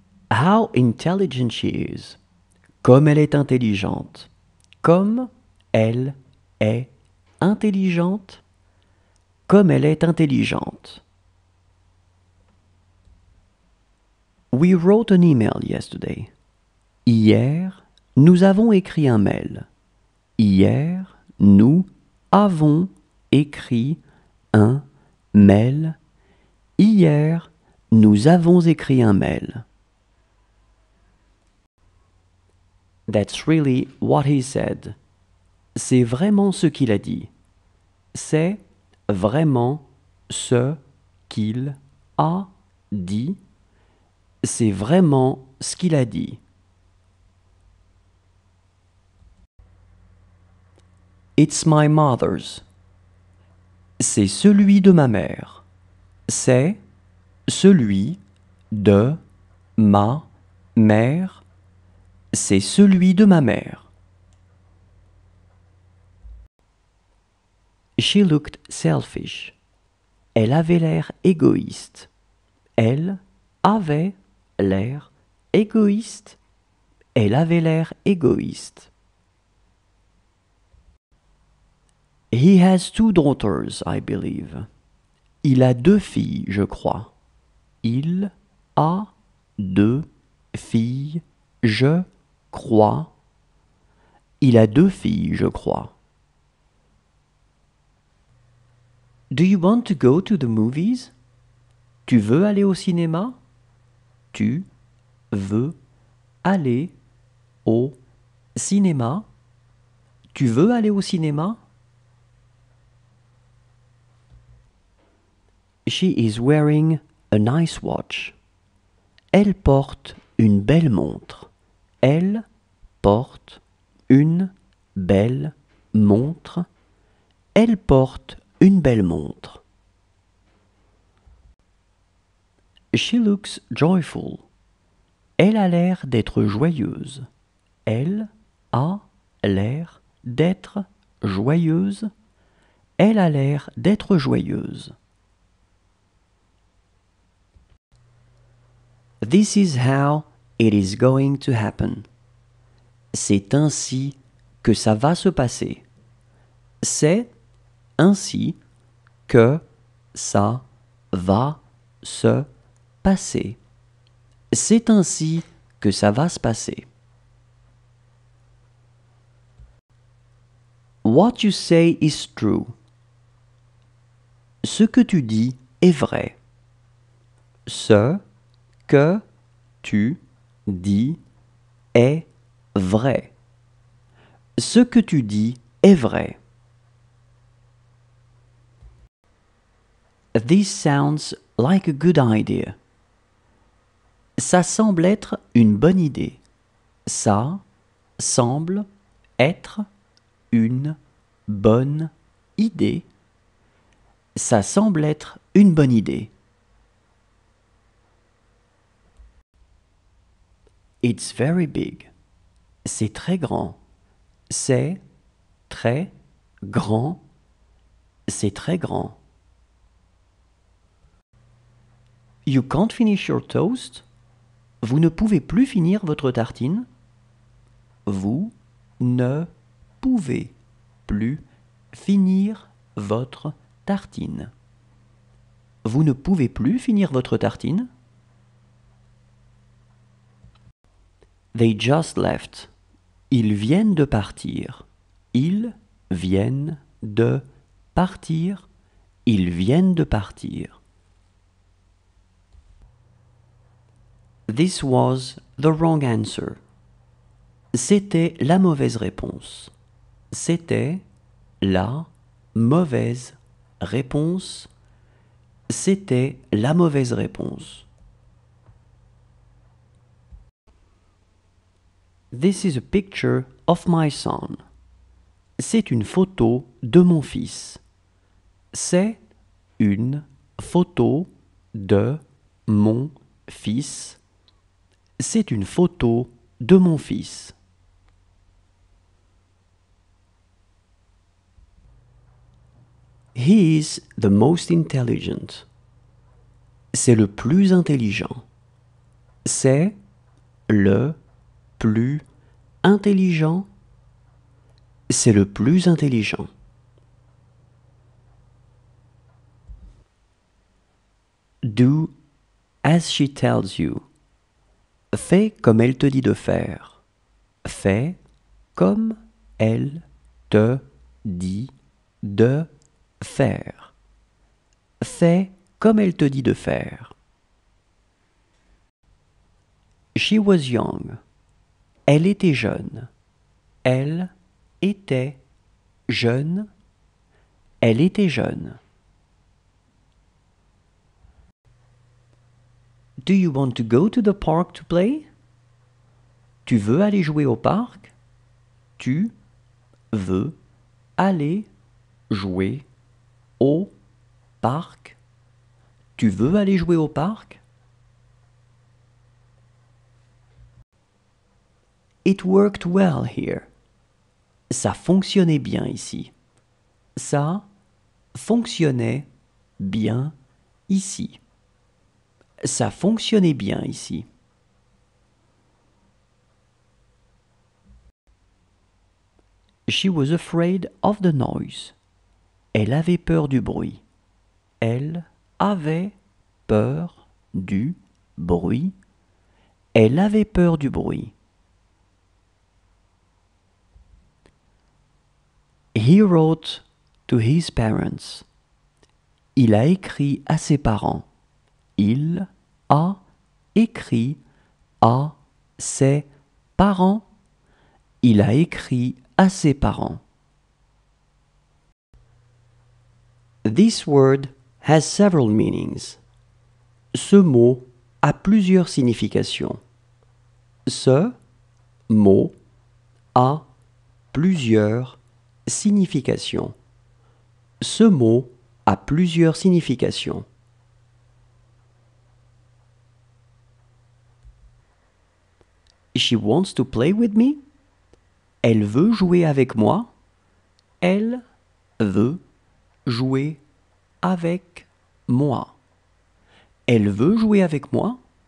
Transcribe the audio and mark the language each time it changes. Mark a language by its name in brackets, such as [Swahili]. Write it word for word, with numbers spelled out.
[English] How intelligent she is. [French] Comme elle est intelligente. Comme elle est intelligente. Comme elle est intelligente. [English] We wrote an email yesterday. [French] Hier, nous avons écrit un mail. Hier, nous avons écrit un mail. Hier, nous avons écrit un mail. [English] That's really what he said. [French] C'est vraiment ce qu'il a dit. C'est vraiment ce qu'il a dit. C'est vraiment ce qu'il a dit. [English] It's my mother's. [French] C'est celui de ma mère. C'est celui de ma mère. C'est celui de ma mère. [English] She looked selfish. [French] Elle avait l'air égoïste. Elle avait l'air égoïste. Elle avait l'air égoïste. [English] He has two daughters, I believe. [French] Il a deux filles, je crois. Il a deux filles, je crois. Il a deux filles, je crois. [English] Do you want to go to the movies? [French] Tu veux aller au cinéma? Tu veux aller au cinéma? Tu veux aller au cinéma? [English] She is wearing a nice watch. [French] Elle porte une belle montre. Elle porte une belle montre. Elle porte une belle montre. [English] She looks joyful. [French] Elle a l'air d'être joyeuse. Elle a l'air d'être joyeuse. Elle a l'air d'être joyeuse. [English] This is how it is going to happen. [French] C'est ainsi que ça va se passer. C'est ainsi que ça va se passer. C'est ainsi que ça va se passer. [English] What you say is true. [French] Ce que tu dis est vrai. Ce que tu dis est vrai. Ce que tu dis est vrai. [English] This sounds like a good idea. [French] Ça semble être une bonne idée. Ça semble être une bonne idée. Ça semble être une bonne idée. [English] It's very big. [French] C'est très grand. C'est très grand. C'est très grand. [English] You can't finish your toast. [French] Vous ne pouvez plus finir votre tartine. Vous ne pouvez plus finir votre tartine. Vous ne pouvez plus finir votre tartine. [English] They just left. [French] Ils viennent de partir. Ils viennent de partir. Ils viennent de partir. [English] This was the wrong answer. [French] C'était la mauvaise réponse. C'était la mauvaise réponse. C'était la mauvaise réponse. [English] This is a picture of my son. [French] C'est une photo de mon fils. C'est une photo de mon fils. C'est une photo de mon fils. [English] He is the most intelligent. [French] C'est le plus intelligent. C'est le plus intelligent. C'est le plus intelligent. [English] Do as she tells you. [French] Fais comme elle te dit de faire. Fais comme elle te dit de faire. Faire. Fais comme elle te dit de faire. [English] She was young. [French] Elle était jeune. Elle était jeune. Elle était jeune. [English] Do you want to go to the park to play? [French] Tu veux aller jouer au parc? Tu veux aller jouer au parc? Tu veux aller jouer au parc? [English] It worked well here. [French] Ça fonctionnait bien ici. Ça fonctionnait bien ici. Ça fonctionnait bien ici. [English] She was afraid of the noise. [French] Elle avait peur du bruit. Elle avait peur du bruit. Elle avait peur du bruit. [English] He wrote to his parents. [French] Il a écrit à ses parents. Il a écrit à ses parents. Il a écrit à ses parents. [English] This word has several meanings. [French] Ce mot a plusieurs significations. Ce mot a plusieurs significations. Ce mot a plusieurs significations. [English] She wants to play with me? [French] Elle veut jouer avec moi? Elle veut jouer avec moi. Elle veut jouer avec moi.